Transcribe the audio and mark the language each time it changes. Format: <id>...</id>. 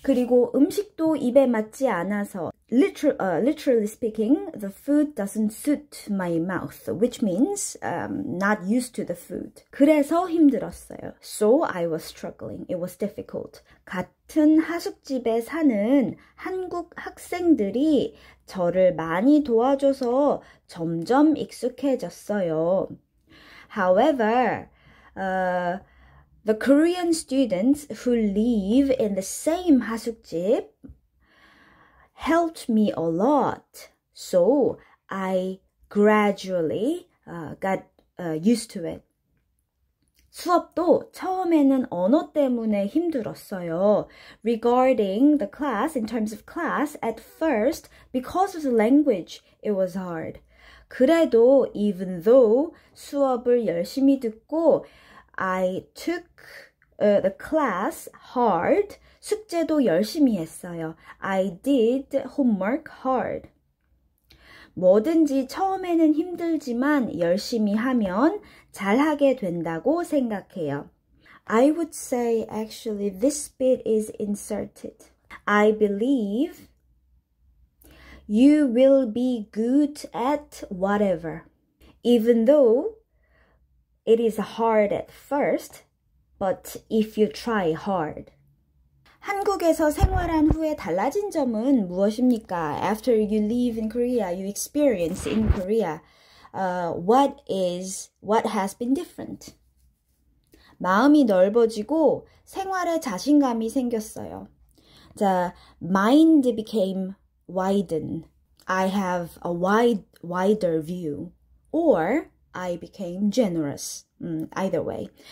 <ko>그리고 음식도 입에 맞지 않아서.</ko> <en>Literally speaking, the food doesn't suit my mouth, which means not used to the food.</en> <ko>그래서 힘들었어요.</ko> <en>So I was struggling. It was difficult.</en> <ko>같은 하숙집에 사는 한국 학생들이 저를 많이 도와줘서 점점 익숙해졌어요.</ko> <en>However, the Korean students who live in the same 하숙집 helped me a lot. So I gradually got used to it.</en> <ko>수업도 처음에는 언어 때문에 힘들었어요.</ko> <en>Regarding the class, in terms of class, at first, because of the language, it was hard.</en> <ko>그래도,</ko> <en>even though</en> <ko>수업을 열심히 듣고,</ko> <en>I took the class hard.</en> <ko>숙제도 열심히 했어요.</ko> <en>I did homework hard.</en> <ko>뭐든지 처음에는 힘들지만 열심히 하면 잘하게 된다고 생각해요.</ko> <en>I would say actually this bit is inserted. I believe you will be good at whatever. Even though it is hard at first, but if you try hard.</en> <ko>한국에서 생활한 후에 달라진 점은 무엇입니까?</ko> <en>After you live in Korea, you experience in Korea, what has been different?</en> <ko>마음이 넓어지고 생활에 자신감이 생겼어요.</ko> <en>The mind became widened. I have a wider view. Or I became generous. Either way.</en>